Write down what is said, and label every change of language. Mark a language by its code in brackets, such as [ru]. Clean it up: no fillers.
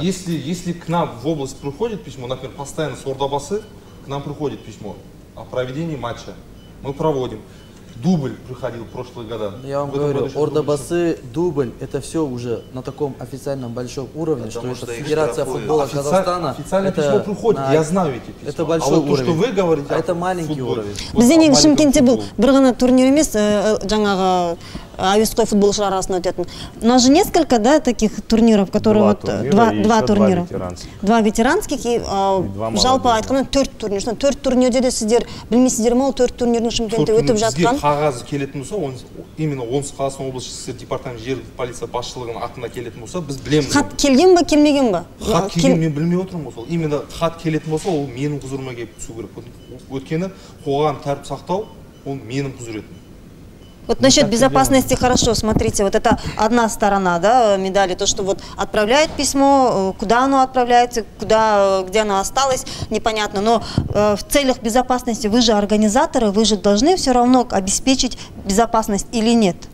[ru] Нет, если к нам в область приходит письмо, например, постоянно с Ордабасы, к нам приходит письмо о проведении матча. Мы проводим. Дубль приходил в прошлые годы. Я вам говорю, Ордабасы, Дубль, это все уже на таком официальном большом уровне, потому что это Федерация футбола Казахстана. Официальное письмо приходит, я знаю эти письма. Это большой уровень. А вот то, что вы говорите, это маленький уровень. [kk] Бізде негізі Шымкентте бұл бір ғана турнир емес, жаңағы әуесқой футболшылар арасында өтетін. [ru] У нас же несколько, да, таких турниров, которые вот два турнира. Два ветеранских и жалпы айтқанда төрт турнир. [kk] Төрт турнирде де сіздер білмейсіздер ма, ол төрт турнирдің Шымкентте өтіп жатқан. Қағаз келетін болса, именно Оңтүстік Қазақстан облысы істер департаменті жер полиция басшылығының атына келетін болса, біз білеміз. Хат келген ба, келмеген ба? Хат келген, мен білмей отырмын ғой сол. Именно хат келетін болса, ол менің құзырыма келіп түсу керек. Өткені қоғам тәртіп сақтау, ол менің құзыретім. [ru] Вот насчет безопасности хорошо, смотрите, вот это одна сторона, да, медали, то, что вот отправляет письмо, куда оно отправляется, куда, где оно осталось, непонятно, но в целях безопасности вы же организаторы, вы же должны все равно обеспечить безопасность или нет?